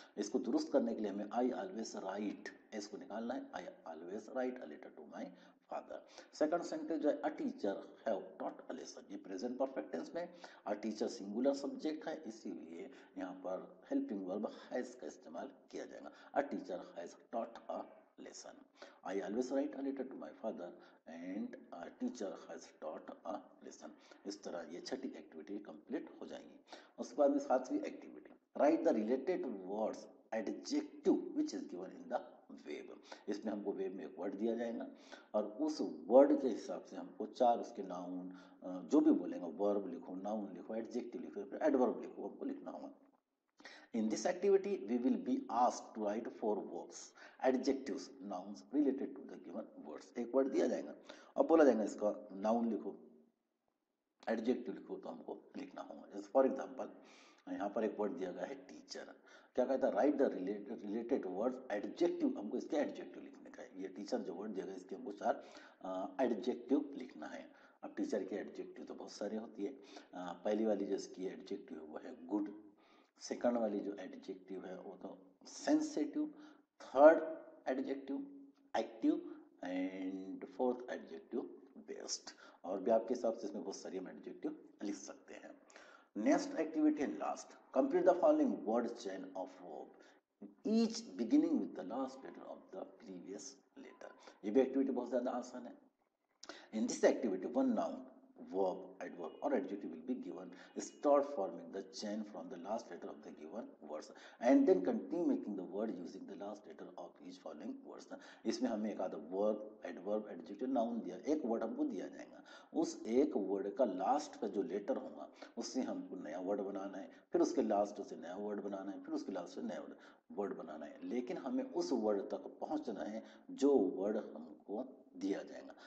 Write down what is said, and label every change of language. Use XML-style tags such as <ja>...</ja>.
<hi>इसको दुरुस्त करने के लिए हमें</hi> <en>I always write S को निकालना है, I always write a letter to my father.</en> <hi>Second sentence जो है</hi> <en>a teacher have taught a lesson,</en> <hi>ये प्रेजेंट परफेक्ट टेंस में, अ टीचर सिंगुलर सब्जेक्ट है इसीलिए यहाँ पर हेल्पिंग वर्ब हैज का इस्तेमाल किया जाएगा,</hi> <en>A teacher has taught a lesson. I always write a letter to my father and a teacher has taught a lesson.</en> <hi>इस तरह ये छठी एक्टिविटी कंप्लीट हो जाएगी। उसके बाद में सातवीं activity,</hi> <en>Write the related words adjective which is given in the web.</en> <hi>इसमें हमको वेब में एक वर्ड दिया जाएगा और उस वर्ड के हिसाब से हमको चार उसके नाउन जो भी बोलेंगे, वर्ब लिखो, नाउन लिखो, एडजेक्टिव लिखो, एडवर्ब लिखो, हमको लिखना होगा।</hi> <en>In this activity, we will be asked to write four verbs, adjectives, nouns related to the given words.</en> <hi>एक वर्ड दिया जाएगा और बोला जाएगा इसका नाउन लिखो, एडजेक्टिव लिखो, तो हमको लिखना होगा। जैसे फॉर एग्जाम्पल यहाँ पर एक वर्ड दिया गया है टीचर, क्या कहता है, right the related word adjective, हमको इसके एडजेक्टिव लिखने का है। ये टीचर जो वर्ड दिया गया इसके हमको चार एडजेक्टिव लिखना है। अब टीचर की एडजेक्टिव तो बहुत सारी होती है, पहली वाली जो इसकी एडजेक्टिव है वो है गुड, सेकंड वाली जो एडजेक्टिव है वो तो sensitive, third adjective active and fourth adjective best, और भी आपके हिसाब से इसमें बहुत सारे हम एडजेक्टिव लिख सकते हैं।</hi> <en>Next activity and last, complete the following word chain of verb each beginning with the last letter of the previous letter.</en> <hi>ये भी एक्टिविटी बहुत ज़्यादा आसान है।</hi> <en>In this activity one noun verb, adverb or adjective will be given, start forming the chain from the last letter of the given words and then continue making the word using the last letter of each following words.</en> <hi>इसमें हमें एक आधा verb, adverb, adjective, noun दिया, एक word हमको दिया जाएगा, उस एक word का last का जो letter होगा उससे हमको नया word बनाना है, फिर उसके last से नया word बनाना है, फिर उसके last से नया word बनाना है, लेकिन हमें उस word तक पहुंचना है जो word हमको दिया जाएगा।</hi>